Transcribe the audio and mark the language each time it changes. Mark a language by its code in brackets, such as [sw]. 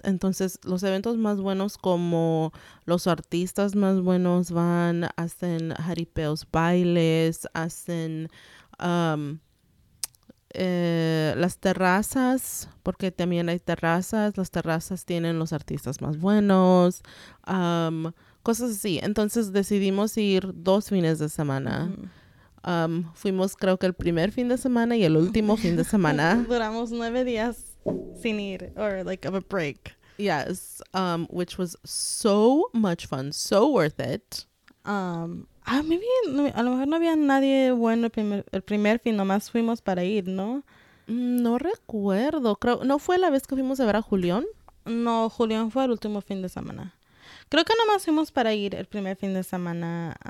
[es] Entonces, los eventos más buenos, como los artistas más buenos van, hacen jaripeos, bailes, hacen las terrazas, porque también hay terrazas. Las terrazas tienen los artistas más buenos, cosas así. Entonces, decidimos ir dos fines de semana. Mm-hmm. Fuimos creo que el primer fin de semana y el último fin de semana. Duramos 9 días sin ir, or like of a break. [en] Yes, which was so much fun, so worth it. [es] Maybe, a lo mejor no había nadie bueno el primer fin, nomás fuimos para ir, ¿no? No recuerdo, creo, ¿no fue la vez que fuimos a ver a Julián? No, Julián fue el último fin de semana. Creo que nomás fuimos para ir el primer fin de semana.